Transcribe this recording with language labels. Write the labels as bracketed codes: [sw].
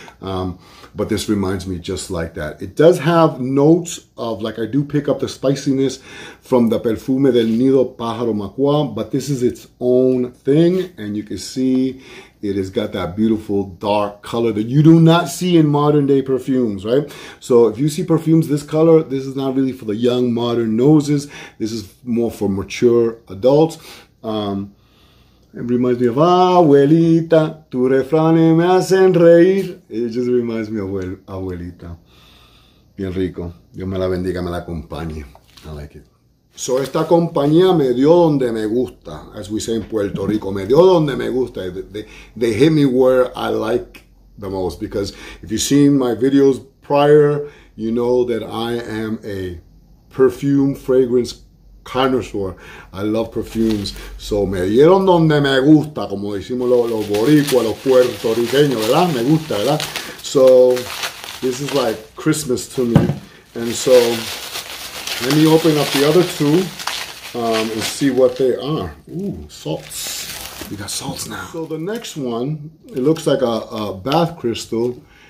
[en] But this reminds me just like that. It does have notes of, like, I do pick up the spiciness from the Perfume del Nido Pájaro Macua, but this is its own thing. And you can see It has got that beautiful dark color that you do not see in modern day perfumes, right? So if you see perfumes this color, this is not really for the young modern noses. This is more for mature adults. It reminds me of abuelita, [es] tu refrán me hacen reír. [en] It just reminds me of abuelita. [es] Bien rico. Dios me la bendiga, me la acompañe. [en] I like it. So [es] esta compañía me dio donde me gusta, [en] as we say in Puerto Rico, [es] me dio donde me gusta. [en] They hit me where I like the most, because if you've seen my videos prior, you know that I am a perfume fragrance connoisseur. I love perfumes. [es] So me dieron donde me gusta, como decimos los boricuas, los puertorriqueños, ¿verdad? Me gusta, ¿verdad? [en] So this is like Christmas to me. And so let me open up the other two and see what they are. Ooh, salts. We got salts now. So the next one, it looks like a bath crystal.